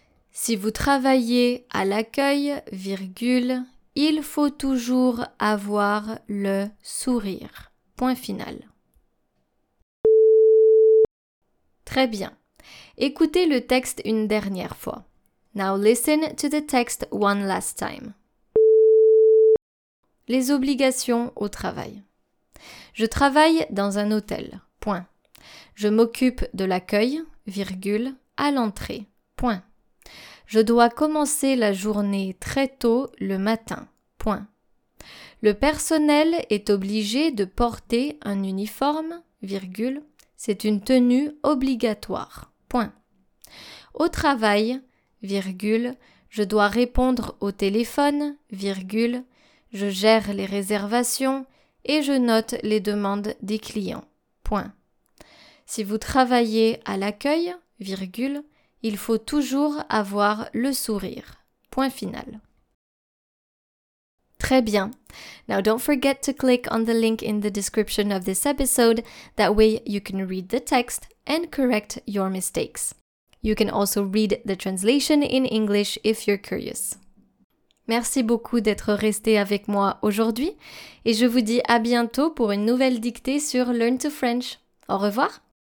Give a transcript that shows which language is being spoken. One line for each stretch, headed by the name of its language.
French: Si vous travaillez à l'accueil, virgule, il faut toujours avoir le sourire. Point final. Très bien. Écoutez le texte une dernière fois.
English: Now listen to the text one last time.
French: Les obligations au travail. Je travaille dans un hôtel. Point. Je m'occupe de l'accueil, virgule, à l'entrée. Point. Je dois commencer la journée très tôt le matin. Point. Le personnel est obligé de porter un uniforme, virgule, c'est une tenue obligatoire. Point. Au travail, virgule, je dois répondre au téléphone, virgule, je gère les réservations et je note les demandes des clients. Point. Si vous travaillez à l'accueil, virgule, il faut toujours avoir le sourire. Point final. Très bien.
English: Now don't forget to click on the link in the description of this episode, that way you can read the text and correct your mistakes. You can also read the translation in English if you're curious.
French: Merci beaucoup d'être resté avec moi aujourd'hui et je vous dis à bientôt pour une nouvelle dictée sur Learn to French. Au revoir!